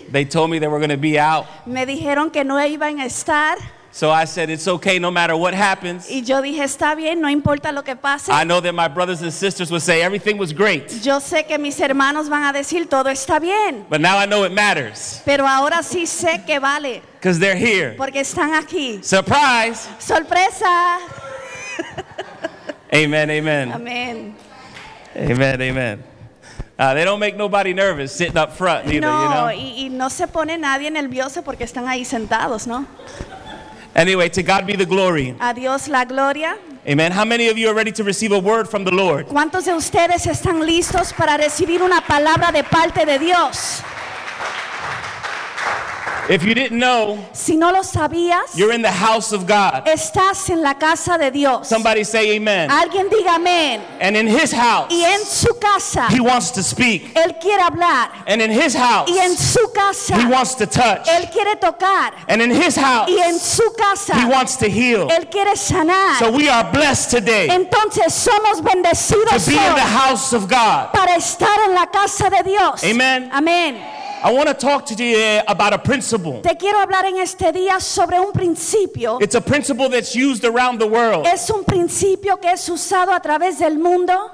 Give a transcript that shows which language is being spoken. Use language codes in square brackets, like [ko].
[en] They told me they were going to be out. [es] Me dijeron que no iban a estar. [en] So I said, it's okay no matter what happens. [es] Y yo dije, está bien, no importa lo que pase. [en] I know that my brothers and sisters would say everything was great. [es] Yo sé que mis hermanos van a decir, todo está bien. [en] But now I know it matters. [es] Pero ahora sí sé que vale. [en] Because they're here. [es] Porque están aquí. [en] Surprise. [es] Sorpresa. [en] Amen, amen. Amen. Amen, amen. They don't make nobody nervous sitting up front either, no, you know? [es] Y no se pone nadie nervioso porque están ahí sentados, ¿no? [en] Anyway, to God be the glory. [es] A Dios la gloria. [en] Amen. How many of you are ready to receive a word from the Lord? [es] ¿Cuántos de ustedes están listos para recibir una palabra de parte de Dios? [en] If you didn't know, [es] si no lo sabías, [en] you're in the house of God. [es] Estás en la casa de Dios. [en] Somebody say amen. [es] Alguien diga amén. [en] And in his house, [es] y en su casa, [en] he wants to speak. [es] Él quiere hablar. [en] And in his house, [es] y en su casa, [en] he wants to touch. [es] Él quiere tocar. [en] And in his house, [es] y en su casa, [en] he wants to heal. [es] Él quiere sanar. [en] So we are blessed today. [es] Entonces somos bendecidos [en] to be in the house of God. [es] Para estar en la casa de Dios. [en] Amen. Amen. I want to talk to you about a principle. [es] Te quiero hablar en este día sobre un principio. [en] It's a principle that's used around the world. [es] Es un principio que es usado a través del mundo.